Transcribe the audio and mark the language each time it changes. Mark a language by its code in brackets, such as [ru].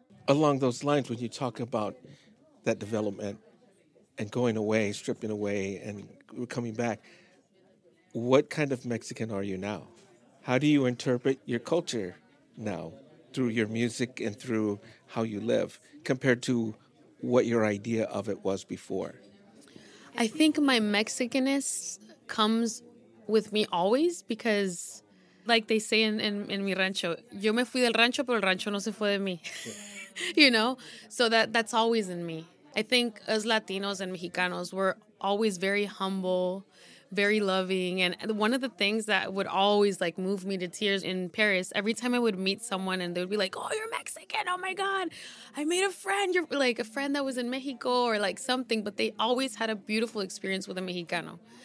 [en] Along those lines, when you talk about that development and going away, stripping away, and coming back, what kind of Mexican are you now? How do you interpret your culture now through your music and through how you live compared to what your idea of it was before? I think my Mexicanness comes with me always because, like they say in mi rancho, [es] yo me fui del rancho, pero el rancho no se fue de mí. [en] You know? So that's always in me. I think as Latinos and Mexicanos, we're always very humble, very loving. And one of the things that would always like move me to tears in Paris, every time I would meet someone and they would be like, oh, you're Mexican. Oh my God, I made a friend. You're like a friend that was in Mexico or like something, but they always had a beautiful experience with a Mexicano.